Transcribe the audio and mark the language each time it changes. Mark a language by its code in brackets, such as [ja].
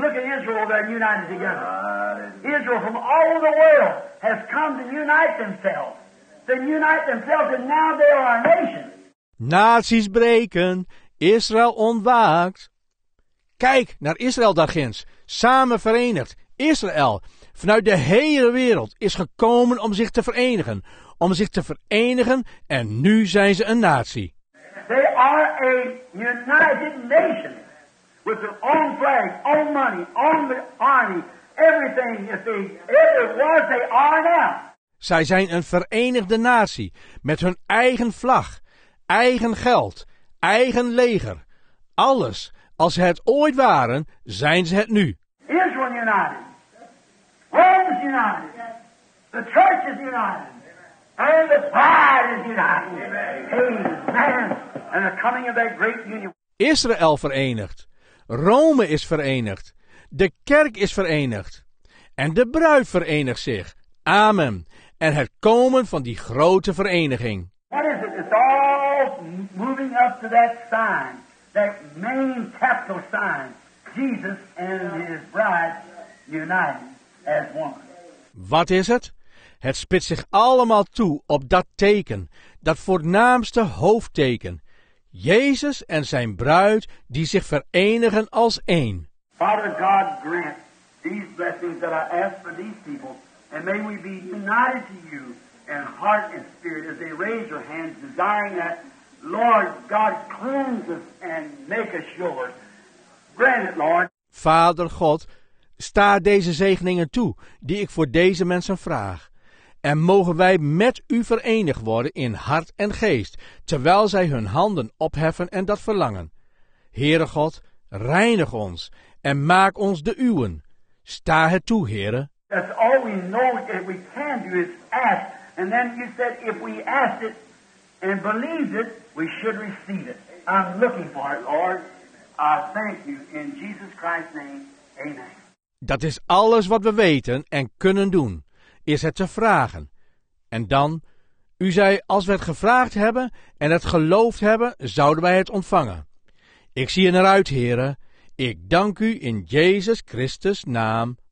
[en] Look at Israel, they're united together. Israel from all the world has come to unite themselves. They unite themselves and now they are a nation. [nl] Naties breken. Israël ontwaakt. Kijk naar Israël daar ginds. Samen verenigd. Israël vanuit de hele wereld is gekomen om zich te verenigen. Om zich te verenigen en nu zijn ze een natie. [en] They are a united nation. With their own flag, own money, own army. Everything if it was, they are now. [nl] Zij zijn een verenigde natie met hun eigen vlag, eigen geld, eigen leger. Alles, als ze het ooit waren, zijn ze het nu. [en] Israel united. Rome is united. The church is united. And the bride is united. Amen. And the coming of that great union. [nl] Israël verenigd. Rome is verenigd. De kerk is verenigd. En de bruid verenigt zich. Amen. En het komen van die grote vereniging. [en] What is it? It's all moving up to that sign. That main capital sign. Jesus and his bride united as one. [nl] Wat is het? Het spitst zich allemaal toe op dat teken. Dat voornaamste hoofdteken. Jezus en zijn bruid die zich verenigen als één. [en] Father God, grant these blessings that I ask for these people. And may we be united to you in heart and spirit as they raise your hands, desiring that, Lord God, cleanse us and make us yours. Grant it, Lord. [nl] Vader God, sta deze zegeningen toe die ik voor deze mensen vraag. En mogen wij met u verenigd worden in hart en geest, terwijl zij hun handen opheffen en dat verlangen. Heere God, reinig ons en maak ons de uwen. Sta het toe, Heere. [en] That's all we know that we can do is ask. And then you said if we ask it and believe it, we should receive it. I'm looking for it, Lord. I thank you in Jesus Christ's name. Amen. [nl] Dat is alles wat we weten en kunnen doen, is het te vragen. En dan, u zei als we het gevraagd hebben en het geloofd hebben, zouden wij het ontvangen. Ik zie je naar uit, Heren. Ik dank u in Jezus Christus naam.